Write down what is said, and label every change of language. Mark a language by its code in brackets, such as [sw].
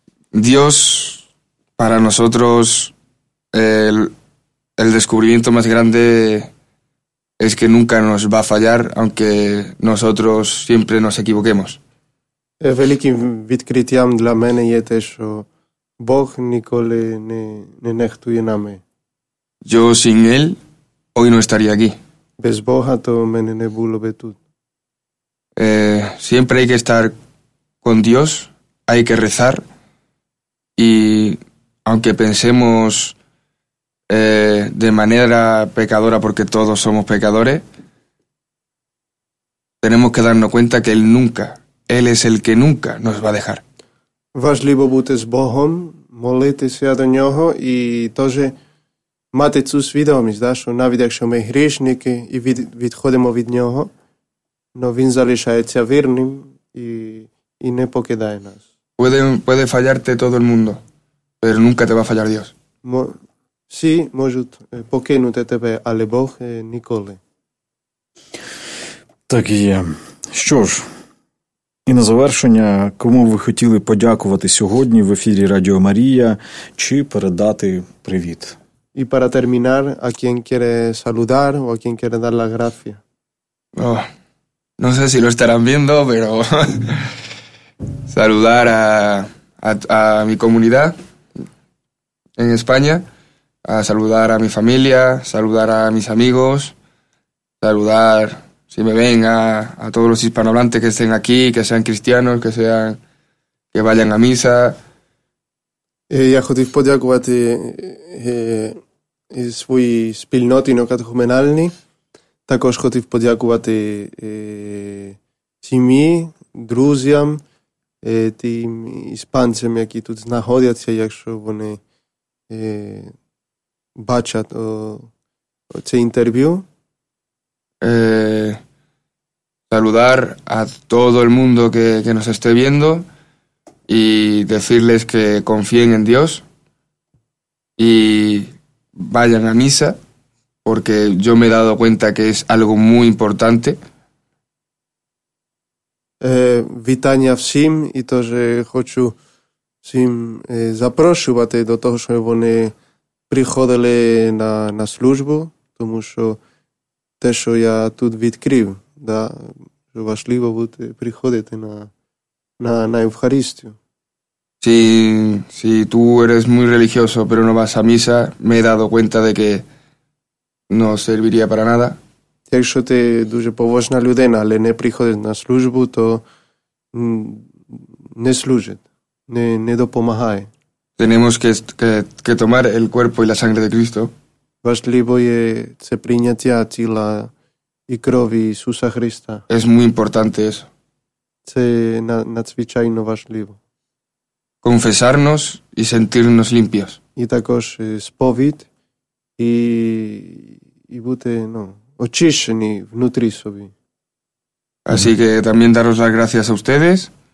[es] Dios para nosotros el descubrimiento más grande es que nunca nos va a fallar, aunque nosotros siempre nos equivoquemos. [uk] Великим відкриттям для мене є те, що Бог ніколи не нехтує нами. [es] Yo sin él hoy no estaría aquí. [uk] Без Бога то мене не було би тут. [es] Siempre hay que estar con Dios, hay que rezar, y aunque pensemos de manera pecadora, porque todos somos pecadores, tenemos que darnos cuenta que Él nunca, Él es el que nunca nos va a dejar. [uk] Важливо бути з Богом, молитися до Нього і теж мати цю свідомість, що навіть якщо ми грішники і відходимо від Нього, но Він залишається вірним і не покидає нас. [es] Puede fallarte todo el mundo, pero nunca te va a fallar Dios. [uk] Sí, может, покинути тебе, але Бог ніколи. Так і є. Що ж, і на завершення, кому ви хотіли подякувати сьогодні в ефірі Радіо Марія, чи передати привіт? [es] І para terminar, a quien quiere saludar o a quien quiere dar la gracia. No sé si lo estarán viendo, pero saludar a mi comunidad en España. A saludar a mi familia, saludar a mis amigos, saludar, si me ven, a todos los hispanohablantes que estén aquí, que sean cristianos, que vayan a misa. [uk] Я хотів подякувати свої спільноти нокатхуменальні. Також хотів подякувати сім'ї, друзям, тим іспанцям, які тут знаходяться, якщо вони бачать це інтерв'ю. [es] Saludar a todo el mundo que nos esté viendo y decirles que confíen en Dios y vayan a misa, porque yo me he dado cuenta que es algo muy importante. [uk] Вітання всім, і теж хочу Sim, запрошувати до того, що вони приходили на службу, тому що те, що я тут відкрив, да, що важливо бути, приходити на Євхаристію. [es] Sí, sí, tú eres muy religioso, pero no vas a misa, me he dado cuenta de que no serviría para nada. [uk] Якщо ти дуже побожна людина, але не приходиш на службу, то не служить, не допомагає. [es] Tenemos que tomar el cuerpo y la sangre de Cristo. [uk] Важливо є це прийняття тіла і крові Ісуса Христа. [es] Es muy importante eso. [uk] Це надзвичайно важливо. [es] Confesarnos y sentirnos limpios. [uk] Y також сповід і бути, ну, очищені внутрі собі. [es] Así que también daros las gracias a ustedes.